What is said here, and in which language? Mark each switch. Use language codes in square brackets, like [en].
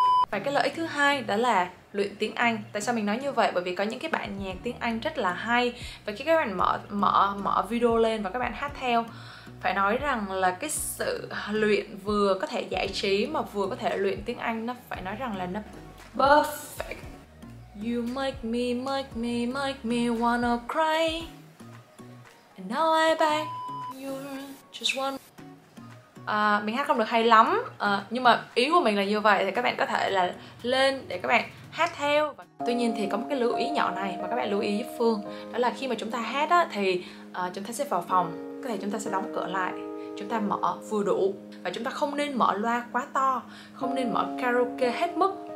[vi] Và cái lợi ích thứ hai đó là luyện tiếng Anh. Tại sao mình nói như vậy? Bởi vì có những cái bản nhạc tiếng Anh rất là hay, và khi các bạn mở video lên và các bạn hát theo, phải nói rằng là cái sự luyện vừa có thể giải trí mà vừa có thể luyện tiếng Anh, nó phải nói rằng là nó perfect. [en] You make me wanna cry, and now I beg you just one. [vi] Mình hát không được hay lắm, nhưng mà ý của mình là như vậy, thì các bạn có thể là lên để các bạn hát theo. Tuy nhiên thì có một cái lưu ý nhỏ này mà các bạn lưu ý giúp Phương, đó là khi mà chúng ta hát á, thì chúng ta sẽ vào phòng, có thể chúng ta sẽ đóng cửa lại, chúng ta mở vừa đủ, và chúng ta không nên mở loa quá to, không nên mở karaoke hết mức.